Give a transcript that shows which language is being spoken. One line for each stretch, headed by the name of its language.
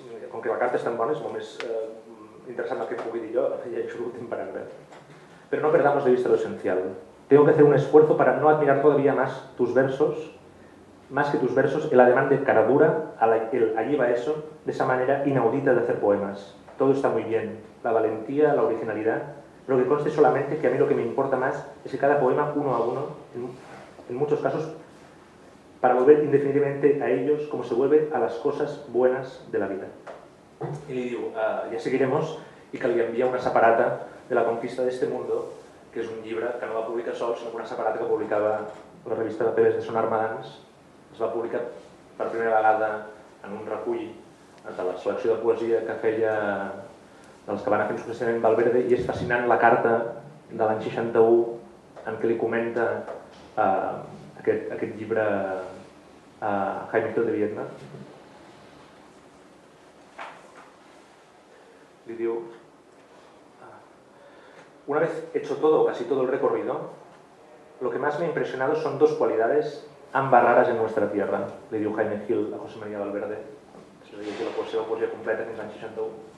Catalan: Com que la carta és tan bona, és molt més interessant el que pugui dir jo, ja llegeixo l'últim paràgraf.
Spanish: Però no perdamos de vista lo esencial. Tengo que hacer un esfuerzo para no admirar todavía más tus versos, más que tus versos, el ademán de caradura, el allí va eso, de esa manera inaudita de hacer poemas. Todo está muy bien, la valentía, la originalidad, pero que conste solamente que a mí lo que me importa más es que cada poema, uno a uno, en muchos casos, para volver indefinidamente a ellos como se vuelve a las cosas buenas de la vida.
Catalan: Y li diu, ja seguiremos, i que li envia una separata de la conquista d'este mundo, que és un llibre que no va publicar sol, sinó una separata que publicava la revista de Pérez de Sonar Madans. Es va publicar per primera vegada en un recull de la selecció de poesia que feia dels que van a fer successivament Valverde, i és fascinant la carta de l'any 61 en què li comenta aquest llibre a Jaime Gil de Viedma. Li diu:
Spanish: una vez hecho todo, casi todo el recorrido, lo que más me ha impresionado son dos cualidades ambas raras en nuestra tierra, le dijo Jaime Gil a José María Valverde, si lo dice la poesía, poesía completa en el año 61.